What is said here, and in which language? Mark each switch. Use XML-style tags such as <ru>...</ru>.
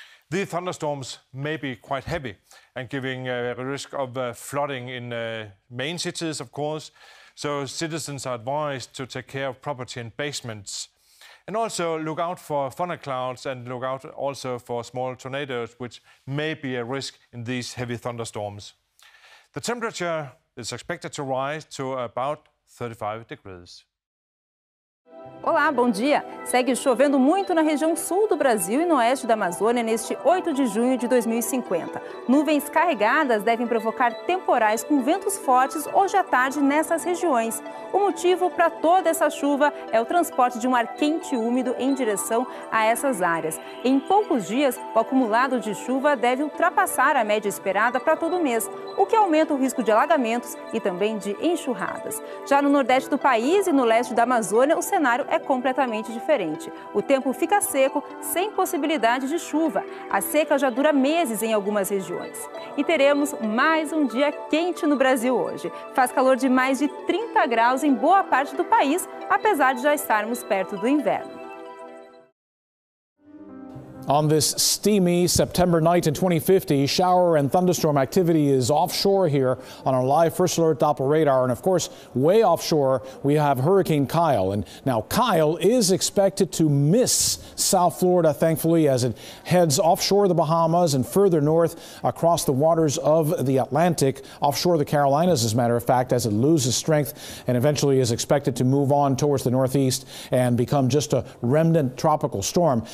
<en>These thunderstorms may be quite heavy and giving a risk of flooding in main cities, of course, so citizens are advised to take care of property and basements. And also look out for thunder clouds and look out also for small tornadoes, which may be a risk in these heavy thunderstorms. The temperature is expected to rise to about 35 degrees.</en> <pt>Olá, bom dia! Segue chovendo muito na região sul do Brasil e no oeste da Amazônia neste 8 de junho de 2050. Nuvens carregadas devem provocar temporais com ventos fortes hoje à tarde nessas regiões. O motivo para toda essa chuva é o transporte de um ar quente e úmido em direção a essas áreas. Em poucos dias, o acumulado de chuva deve ultrapassar a média esperada para todo mês, o que aumenta o risco de alagamentos e também de enxurradas. Já no nordeste do país e no leste da Amazônia, o cenário é completamente diferente. O tempo fica seco, sem possibilidade de chuva. A seca já dura meses em algumas regiões. E teremos mais um dia quente no Brasil hoje. Faz calor de mais de 30 graus em boa parte do país, apesar de já estarmos perto do inverno.</pt> <en>On this steamy September night in 2050, shower and thunderstorm activity is offshore here on our live first alert Doppler radar. And of course, way offshore, we have Hurricane Kyle. And now Kyle is expected to miss South Florida, thankfully, as it heads offshore the Bahamas and further north across the waters of the Atlantic, offshore the Carolinas, as a matter of fact, as it loses strength and eventually is expected to move on towards the northeast and become just a remnant tropical storm.</en>